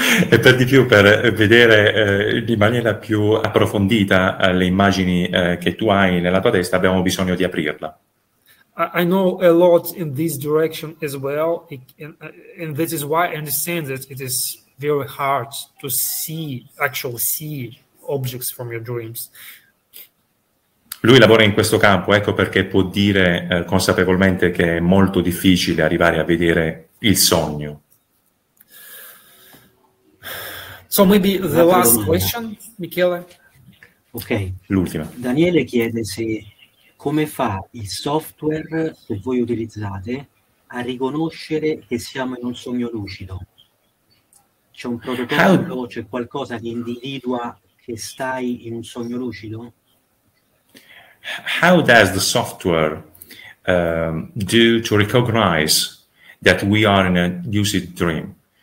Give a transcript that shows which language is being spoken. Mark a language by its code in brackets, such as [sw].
[it] E per di più, per vedere di maniera più approfondita le immagini che tu hai nella tua testa, abbiamo bisogno di aprirla. [en] I know a lot in this direction as well, and this is why I understand that it is very hard to actually see objects from your dreams. [it] Lui lavora in questo campo, ecco perché può dire consapevolmente che è molto difficile arrivare a vedere il sogno. [en] So maybe the last question, Michele? Ok. [it] L'ultima. Daniele chiede se come fa il software che voi utilizzate a riconoscere che siamo in un sogno lucido. C'è un protocollo, c'è qualcosa che individua che stai in un sogno lucido? [en] How does the software do to recognize that we are in a lucid dream?